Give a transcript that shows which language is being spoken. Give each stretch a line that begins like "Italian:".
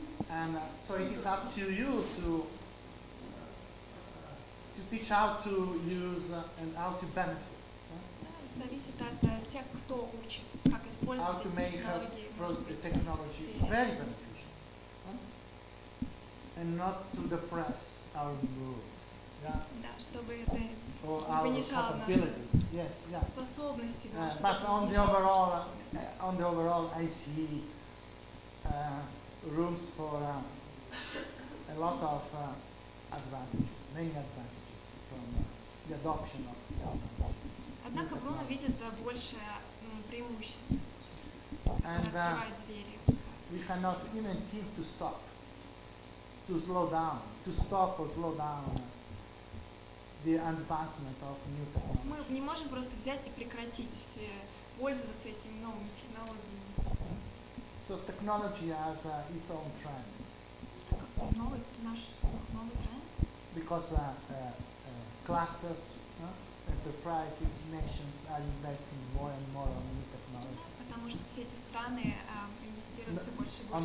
English: And so it is up to you to teach how to use and how to benefit.
Russian: Зависит от тех, кто учит, как использовать
English: technology very beneficial. And not to depress our mood. Yeah. Or our capabilities. Yes. Yeah. But on the overall, I see rooms for a lot of advantages, many advantages from the adoption of the technology.
Russian: Однако Бруно видит больше преимуществ.
English: And we cannot even think to stop. To slow down, to stop or slow down the advancement of new technology.
Russian: Мы не можем просто взять и прекратить все пользоваться этими новыми технологиями.
English: So technology has its own trend.
Russian: Новый тренд.
English: Because classes, enterprises, nations are investing more and more on new technology.
Russian: Потому что все эти страны инвестируют все больше и больше.